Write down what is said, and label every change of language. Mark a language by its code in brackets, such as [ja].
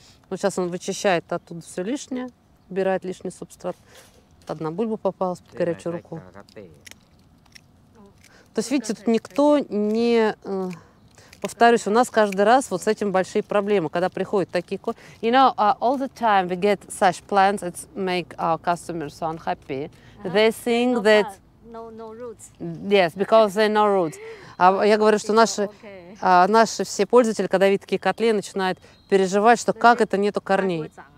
[ru] Вот сейчас он вычищает оттуда все лишнее, убирает лишний субстрат. Одна бульба попалась под горячую руку. То есть, видите, тут никто не... Повторюсь, у нас каждый раз вот с этим большие проблемы, когда приходят такие... [en] You know, all the time we get such plants, it make our customers so unhappy. They think that... No roots. Yes, because they no roots. [ru] Я говорю, что наши все пользователи, когда видят такие котли, начинают переживать, что как это нету корней.